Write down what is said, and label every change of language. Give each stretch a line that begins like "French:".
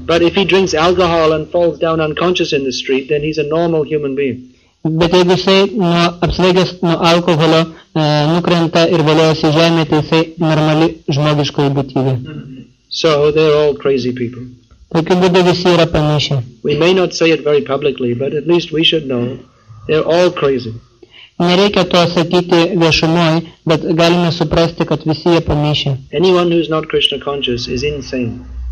English: But if he drinks alcohol and falls down unconscious in the street, then he's a normal human being.
Lithuanian: Bet jeigu jisai apsvaigęs nuo alkoholio nukrenta ir valiojasi žemė, tai jisai normali žmogiškoji būtybė.
English: So they're all crazy people.
Lithuanian: Tokiu būdu visi yra panašiai.
English: We may not say it very publicly, but at least we should know they're all crazy.
Lithuanian: Nereikia to sakyti viešumoj, bet galime suprasti, kad visi jie pamišė.
English: Anyone who is not Krishna conscious is insane.